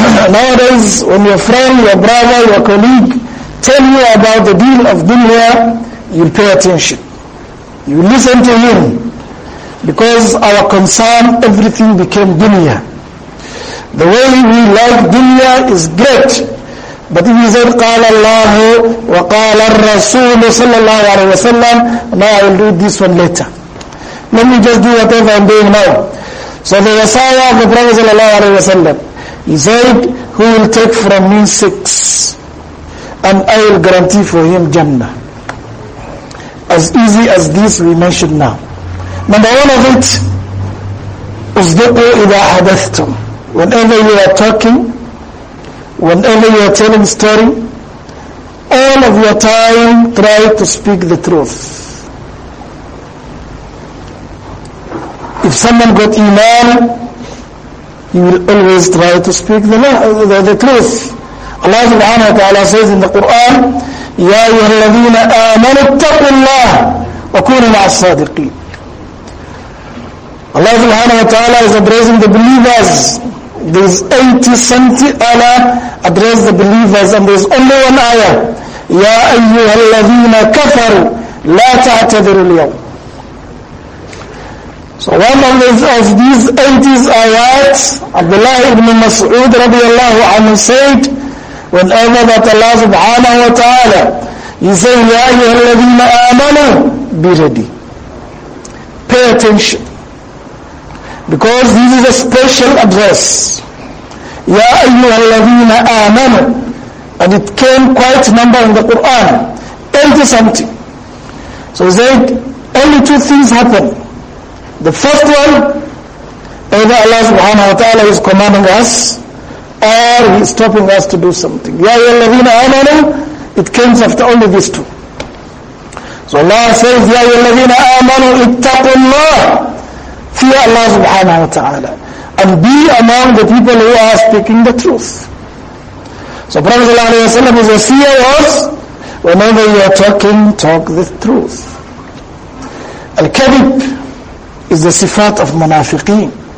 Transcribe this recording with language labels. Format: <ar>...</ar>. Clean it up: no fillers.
<en>Nowadays, when your friend, your brother, your colleague tell you about the deal of dunya, you pay attention. You listen to him. Because our concern, everything became dunya. The way we like dunya is great. But he said,</en> <ar>قال الله وقال الرسول صلى الله عليه وسلم.</ar> <en>Now I will read this one later. Let me just do whatever I'm doing now. So the Messiah of the Prophet صلى الله عليه وسلم, he said, who will take from me six? And I will guarantee for him Jannah. As easy as this we mentioned now. Number one of it,</en> <ar>اصدقوا إذا حدثتم.</ar> <en>Whenever you are talking, whenever you are telling story, all of your time try to speak the truth. If someone got iman, he will always try to speak the truth. Allah subhanahu wa ta'ala says in the Quran,</en> <ar>يَا أَيُّهَا الَّذِينَ آمَنُوا اتَّقُوا اللَّهَ وَكُونُوا مَعَ الصَّادِقِينَ.</ar> <en>Allah subhanahu wa ta'ala is addressing the believers. There's 80-70 Allah address the believers, and there's only one ayah.</en> <ar>يَا أَيُّهَا الَّذِينَ كَفَرُوا لَا تَعْتَذِرُوا الْيَوْمِ.</ar> <en>So one of these 80 ayat, Abdullah ibn Mas'ud radiallahu anhu said, whenever that Allah subhanahu wa ta'ala, he said,</en> <ar>يَا أَيُّهَا الَّذِينَ آمَنُوا,</ar> <en>be ready. Pay attention. Because this is a special address.</en> <ar>يَا أَيُّهَا الَّذِينَ آمَنُوا.</ar> <en>And it came quite a number in the Quran. 80-something. So he said, only two things happen. The first one, either Allah subhanahu wa ta'ala is commanding us, or he's stopping us to do something.</en> <ar>يَا أَيُّهَا الَّذِينَ آمَنُوا.</ar> <en>It comes after only these two. So Allah says,</en> <ar>يَا أَيُّهَا الَّذِينَ آمَنُوا اتَّقُوا اللَّهَ.</ar> <en>Fear Allah subhanahu wa ta'ala. And be among the people who are speaking the truth. So Prophet sallallahu alayhi wa sallam, his wasiya was, whenever you are talking, talk the truth. Al-Kadib is the sifat of munafiqeen.</en>